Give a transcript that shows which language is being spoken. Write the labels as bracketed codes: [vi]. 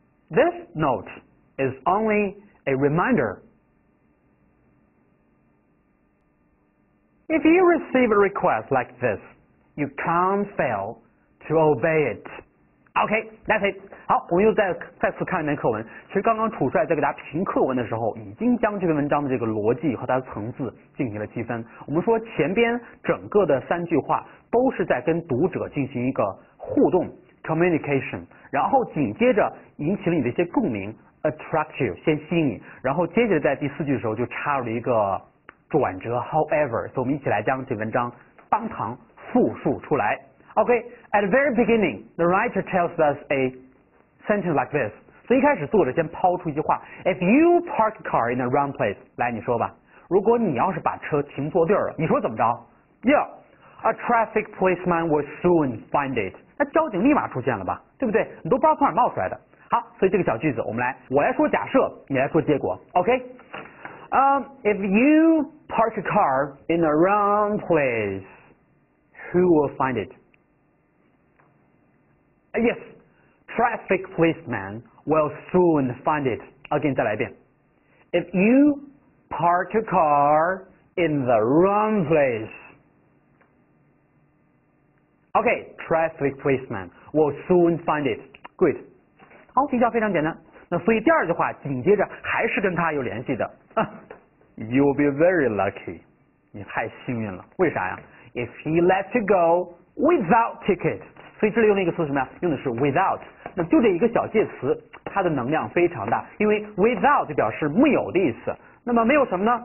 [en] This note is only a reminder. If you receive a request like this, you can't fail. To obey it. OK, that's it. [zh] 好，我们又再次看一遍课文。其实刚刚楚帅在给大家评课文的时候，已经将这篇文章的这个逻辑和它的层次进行了积分。我们说前边整个的三句话都是在跟读者进行一个互动 communication， 然后紧接着引起了你的一些共鸣 [en] attract you， [zh] 先吸引你，然后接着在第四句的时候就插入了一个转折 however， 所以我们一起来将这篇文章当堂复述出来。 [en] OK, at the very beginning, the writer tells us a sentence like this. [zh] 所以一开始作者先抛出一句话 [en] If you park a car in the wrong place, [zh] 来你说吧，如果你要是把车停错地儿了，你说怎么着？ [en] Yeah, a traffic policeman will soon find it. [zh] 那交警立马出现了吧，对不对？你都不知道从哪儿冒出来的。好，所以这个小句子我来说假设，你来说结果。 [en] OK,if you park a car in the wrong place, who will find it? Yes, traffic policeman will soon find it. Again, [zh] 再来一遍。 [en] If you park a car in the wrong place, okay, traffic policeman will soon find it. Good. [zh] 好，听起来非常简单。那所以第二句话紧接着还是跟他有联系的。 [en] You will be very lucky. [zh] 你太幸运了。为啥呀？ [en] If he lets you go without ticket. [zh] 所以这里用的一个词什么呀？用的是 without， 那就这一个小介词，它的能量非常大，因为 without 就表示没有的意思。那么没有什么呢？